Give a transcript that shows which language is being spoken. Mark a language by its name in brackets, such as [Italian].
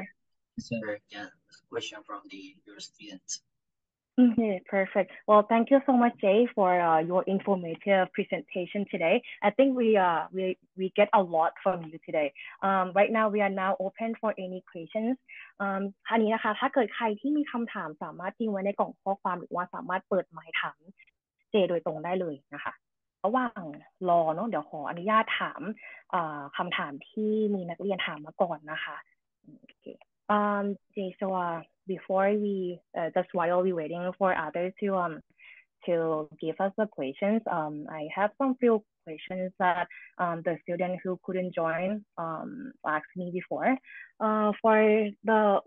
[English] to answer question from your students. Okay, perfect. Well, thank you so much, Jay, for your informative presentation today. I think we get a lot from you today. Right now, we are now open for any questions. [Thai] อันนี้นะคะถ้าเกิดใครที่มีคำถามสามารถทิ้งไว้ในกล่องข้อความหรือว่าสามารถเปิดไมค์ถาม เจโดยตรงได้เลยนะคะระหว่างรอเนาะเดี๋ยวขออนุญาตถามคำถามที่มีนักเรียนถามมาก่อนนะคะโอเคเจโซ [English] before we just while we waiting for others to give us the questions I have some few questions that the student who couldn't join asked me before for the